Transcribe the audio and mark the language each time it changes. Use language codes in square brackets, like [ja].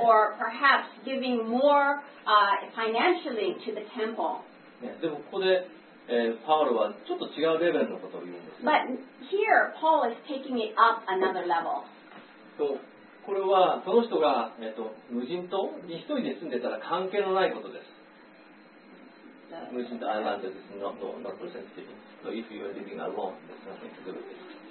[en] Or perhaps giving more, financially to the temple. [ja] でもここで、パウロはちょっと違うレベルのことを言うんです。 [en] But here, Paul is taking it up another level. [ja] これはその人が、無人島に一人で住んでたら関係のないことです。無人島、アイランドです。 [en] Not presentative. So if you are living alone, there's nothing to do with this.